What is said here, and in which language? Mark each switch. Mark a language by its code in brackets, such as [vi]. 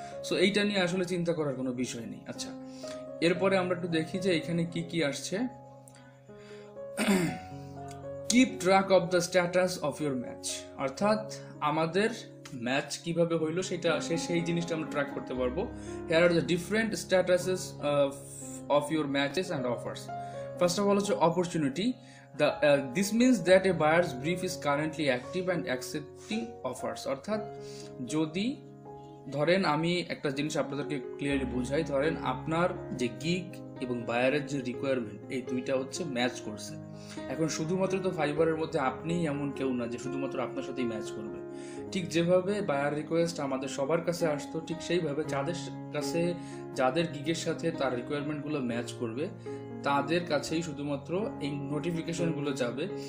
[bn] So এইটা নিয়ে আসলে চিন্তা করার কোনো বিষয় নেই। আচ্ছা, এরপরে আমরা একটু দেখি যে এখানে কি কি আসছে। [en] keep track of the status of your match, [bn] অর্থাৎ আমাদের ম্যাচ কিভাবে হইলো সেটা সেই জিনিসটা আমরা ট্র্যাক করতে পারবো। [en] Here are the different statuses of your matches and offers. First of all, it's an opportunity. This means that a buyer's brief is currently active and accepting offers. [bn] অর্থাৎ যদি ধরেন আমি একটা জিনিস আপনাদেরকে ক্লিয়ারলি বোঝাই, ধরেন আপনার যে গিগ এবং বায়ারের যে রিকোয়ারমেন্ট, এই দুইটা হচ্ছে ম্যাচ করছে। এখন শুধুমাত্র তো ফাইবারের মধ্যে আপনিই এমন কেউ না যে শুধুমাত্র আপনার সাথেই ম্যাচ করবে। ঠিক যেভাবে বায়ার রিকোয়েস্ট আমাদের সবার কাছে আসতো, ঠিক সেইভাবে যাদের কাছে যাদের গিগের সাথে তার রিকোয়ারমেন্টগুলো ম্যাচ করবে, তাদের কাছেই শুধুমাত্র এই নোটিফিকেশনগুলো যাবে।